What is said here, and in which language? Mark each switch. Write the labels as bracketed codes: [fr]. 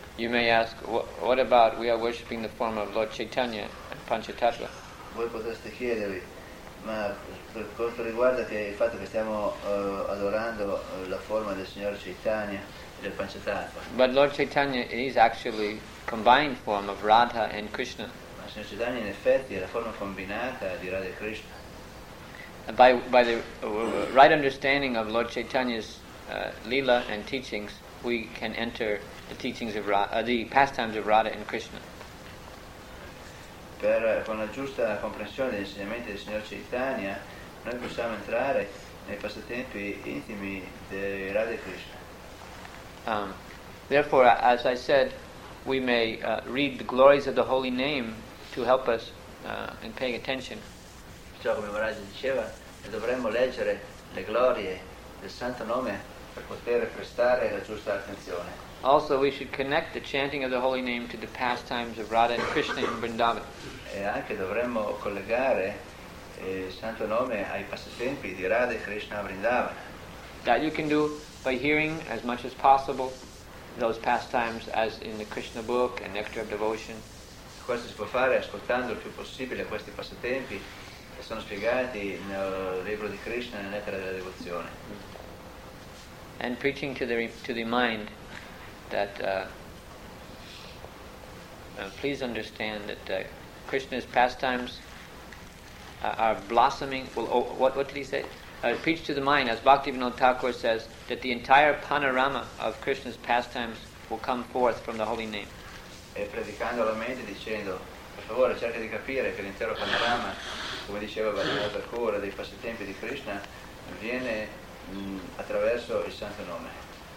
[en] You may ask, what about we are worshipping the form of Lord Chaitanya and Panchatattva? [it] Voi potreste chiedervi, ma per quanto riguarda che il fatto che stiamo adorando la forma del Signore Chaitanya e del Panchatattva. [en] But Lord Chaitanya is actually combined form of Radha and Krishna. [it] Ma Signore Chaitanya in effetti è la forma combinata di Radha e Krishna. [en] By the right understanding of Lord Chaitanya's Lila and teachings, we can enter the teachings of the pastimes of Radha and Krishna. [it] Per con la giusta comprensione degli insegnamenti del Signor Chaitanya, noi possiamo entrare nei passatempi intimi di Radha e Krishna. [en] Therefore, as I said, we may read the glories of the holy name to help us in paying attention. [it] Perciò, come Maharaj diceva, dovremmo leggere le glorie del Santo Nome per poter prestare la giusta attenzione. [en] Also, we should connect the chanting of the holy name to the pastimes of Radha and Krishna in Vrindavan. [it] E anche dovremmo collegare il Santo Nome ai passatempi di Radha e Krishna in Vrindavan. [en] That you can do by hearing as much as possible those pastimes as in the Krishna book and Nectar of Devotion. [it] Questo si può fare ascoltando il più possibile questi passatempi che sono spiegati nel libro di Krishna e Nectar della Devozione. [en] And preaching to the mind that please understand that Krishna's pastimes are blossoming. Well, what did he say? Preach to the mind, as Bhaktivinoda Thakur says, that the entire panorama of Krishna's pastimes will come forth from the holy name. [it] E predicando alla mente dicendo, per favore cerca di capire che l'intero panorama, come diceva Bhaktivinoda Thakur, dei passatempi di Krishna, viene attraverso il Santo Nome.